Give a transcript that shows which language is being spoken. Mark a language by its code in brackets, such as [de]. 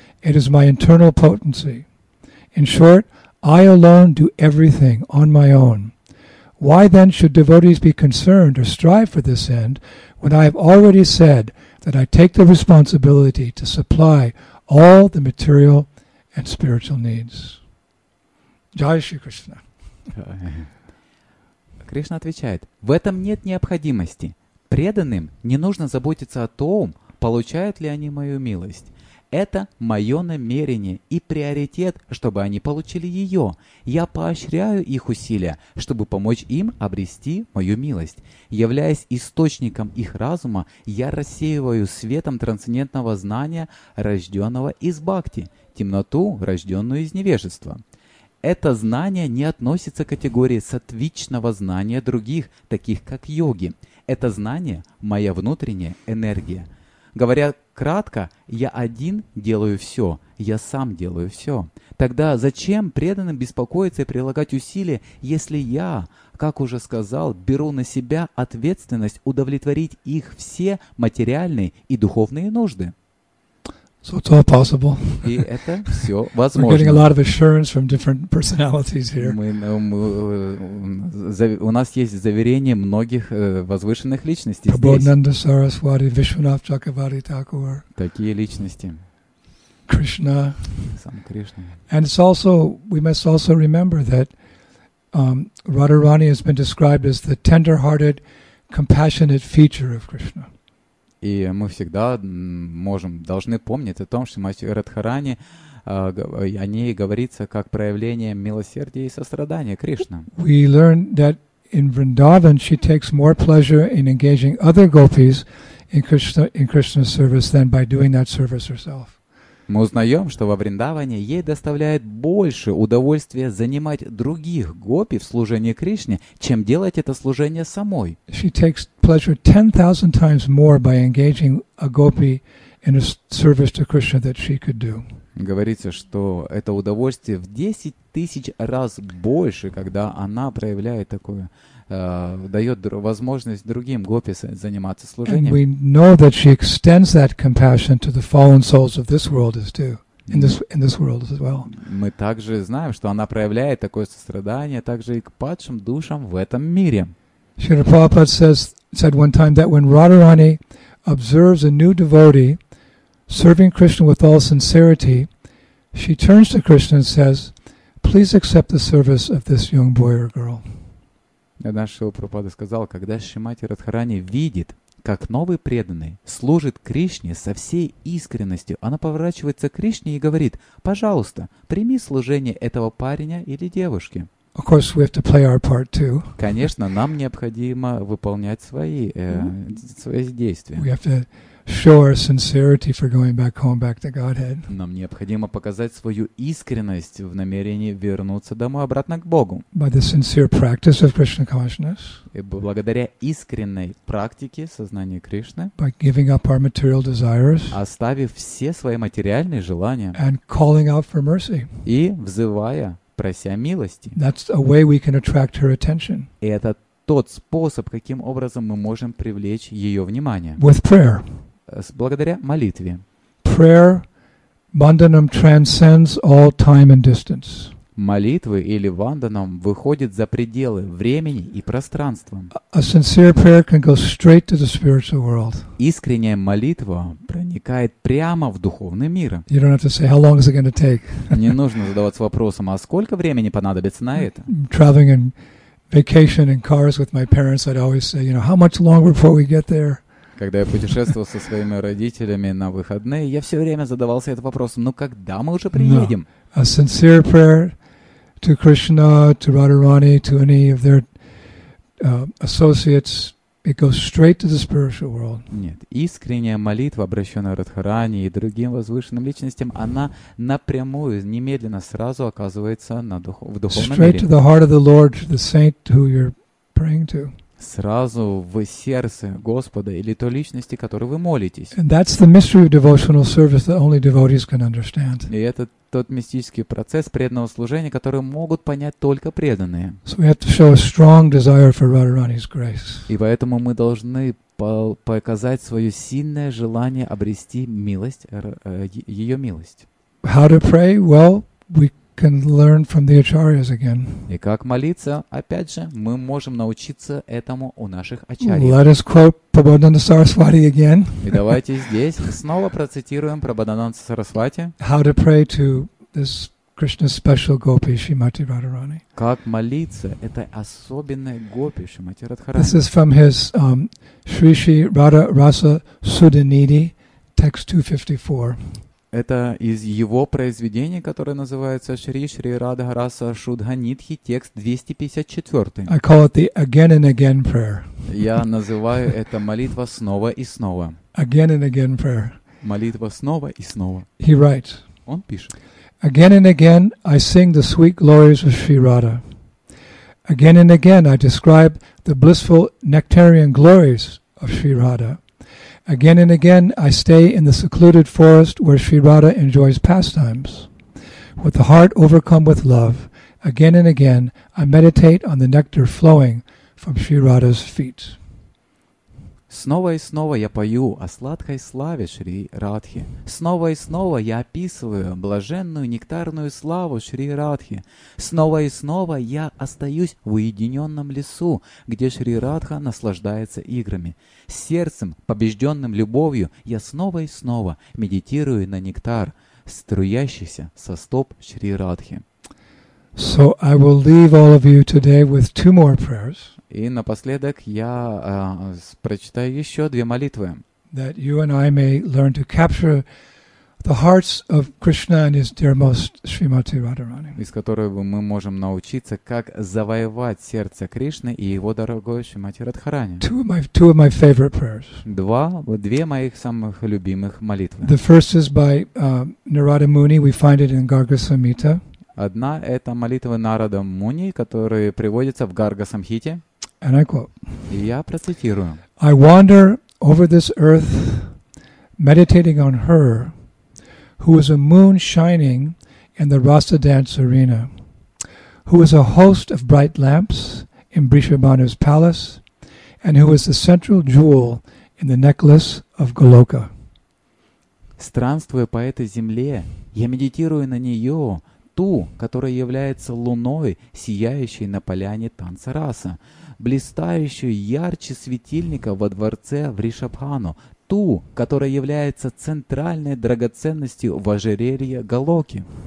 [en] It is my internal potency. In short, I alone do everything on my own. Why then should devotees be concerned or strive for this end when I have already said that I take the responsibility to supply all the material and spiritual needs? Jai Shri Krishna. [ru] Кришна отвечает, в этом нет необходимости. Преданным не нужно заботиться о том, получают ли они мою милость. Это мое намерение и приоритет, чтобы они получили ее. Я поощряю их усилия, чтобы помочь им обрести мою милость. Являясь источником их разума, я рассеиваю светом трансцендентного знания, рожденного из бхакти, темноту, рожденную из невежества. Это знание не относится к категории сатвичного знания других, таких как йоги. Это знание – моя внутренняя энергия. Говоря кратко, я один делаю все, я сам делаю все. Тогда зачем преданным беспокоиться и прилагать усилия, если я, как уже сказал, беру на себя ответственность удовлетворить их все материальные и духовные нужды? [en] So it's all possible. [ru] И это все возможно. [en] We're getting a lot of assurance from different personalities here. [ru] У нас есть заверение многих возвышенных личностей здесь. [en] Prabodhananda Saraswati, Vishwanath Chakravarti Thakur. [ru] Такие личности. [en] Krishna. [ru] Сам Кришна. [en] And it's also, we must also remember that Radharani has been described as the tender-hearted, compassionate feature of Krishna. [ru] И мы всегда можем, должны помнить о том, что Матерь Радхарани, о ней говорится как проявление милосердия и сострадания Кришны. [en] We learn that in Vrindavan she takes more pleasure in engaging other gopis in Krishna's service than by doing that service herself. [ru] Мы узнаем, что во Вриндаване ей доставляет больше удовольствия занимать других гопи в служении Кришне, чем делать это служение самой. [en] She takes pleasure 10,000 times more by engaging a gopi in a service to Krishna that she could do. [ru] Говорится, что это удовольствие в 10,000 раз больше, когда она проявляет такое, дает возможность другим гопи заниматься служением. [en] And we know that she extends that compassion to the fallen souls of this world as too, in this world as well. [ru] Мы также знаем, что она проявляет такое сострадание также и к падшим душам в этом мире. [en] Srila Prabhupada said one time that when Radharani observes a new devotee serving Krishna with all sincerity, she turns to Krishna and says, "Please accept the service of this young boy or girl." [ru] Шрила Прабхупада сказал, когда Шримати Радхарани видит, как новый преданный служит Кришне со всей искренностью, она поворачивается к Кришне и говорит, пожалуйста, прими служение этого парня или девушки. [en] Of course, we have to play our part too. [ru] Конечно, нам необходимо выполнять свои действия. [en] We have to show our sincerity for going back home, back to Godhead. [ru] Нам необходимо показать свою искренность в намерении вернуться домой, обратно к Богу. [en] By the sincere practice of Krishna consciousness. [ru] И благодаря искренней практике сознания Кришны. [en] By giving up our material desires. [ru] Оставив все свои материальные желания. [en] And calling out for mercy. [ru] И взывая, прося милости. [en] That's a way we can attract her attention. [ru] И это тот способ, каким образом мы можем привлечь ее внимание. [en] With prayer. [ru] Благодаря молитве. [en] Prayer, vandanam transcends all time and distance. [ru] Молитвы или ванданам выходят за пределы времени и пространства. [en] A sincere prayer can go straight to the spiritual world. [ru] Искренняя молитва проникает прямо в духовный мир. [en] You don't have to say, how long is it going to take? [ru] Не нужно задаваться вопросом, а сколько времени понадобится на это? [en] Traveling in vacation in cars with my parents, I'd always say, you know, how much longer before we get there? [ru] Когда я путешествовал со своими родителями на выходные, я все время задавался этим вопросом, ну когда мы уже приедем? [en] A sincere prayer to Krishna, to Radharani, to any of their associates, it goes straight to the spiritual world. [ru] Нет, искренняя молитва, обращенная Радхарани и другим возвышенным личностям, она напрямую, немедленно, сразу оказывается в духовном мире. [en] Straight to the heart of the Lord, the saint who you're praying to. [ru] Сразу в сердце Господа или той личности, которой вы молитесь. [en] And that's the mystery of devotional service that only devotees can understand. [ru] И это тот мистический процесс преданного служения, который могут понять только преданные. [en] So we have to show a strong desire for Radharani's grace. [ru] И поэтому мы должны показать свое сильное желание обрести милость, ее милость. [en] How to pray? Well, we can learn from the acharyas again. [ru] И как молиться? Опять же, мы можем научиться этому у наших ачарьев. [en] Let us quote Prabodhananda Saraswati again. [ru] И давайте здесь снова процитируем Прабодхананда Сарасвати. [en] How to pray to this Krishna's special gopi, Shrimati Radharani. [ru] Как молиться этой особенной гопи, Шримати Радхарани. [en] This is from his Shri Shri Radha Rasa Sudhanidhi, text 254. [ru] Это из его произведения, которое называется «Шри Шри Радха Раса Шудханитхи», текст 254. [en] I call it the again and again prayer. [ru] Я называю это молитва снова и снова. [en] Again and again prayer. [ru] Молитва снова и снова. [en] He writes. [ru] Он пишет. [en] Again and again I sing the sweet glories of Shri Radha. Again and again I describe the blissful nectarian glories of Shri Radha. Again and again, I stay in the secluded forest where Sri Radha enjoys pastimes. With the heart overcome with love, again and again, I meditate on the nectar flowing from Sri Radha's feet. [ru] Снова и снова я пою о сладкой славе Шри Радхи. Снова и снова я описываю блаженную нектарную славу Шри Радхи. Снова и снова я остаюсь в уединенном лесу, где Шри Радха наслаждается играми. С сердцем, побежденным любовью, я снова и снова медитирую на нектар, струящийся со стоп Шри Радхи. [en] So I will leave all of you today with two more prayers. [ru] И напоследок я прочитаю еще две молитвы. [en] That you and I may learn to capture the hearts of Krishna and his dearmost Srimati Radharani. [ru] Из которой мы можем научиться, как завоевать сердце Кришны и его дорогой Шримати Радхарани. [en] Two of my favorite prayers. [ru] Две моих самых любимых молитвы. [en] The first is by Narada Muni. We find it in Garga Samhita. [ru] Одна — это молитва Нарада Муни, которая приводится в Гарга Самхите. [en] And I quote. [ru] И я процитирую. [en] I wander over this earth, meditating on her, who is a moon shining in the Rasa Dance Arena, who is a host of bright lamps in Brishabhanu's palace, and who is the central jewel in the necklace of Goloka. [ru] Странствуя по этой земле, я медитирую на нее, ту, которая является луной, сияющей на поляне танца раса, блистающую ярче светильника во дворце в Ришабхану, ту, которая является центральной драгоценностью в ожерелье Галоки.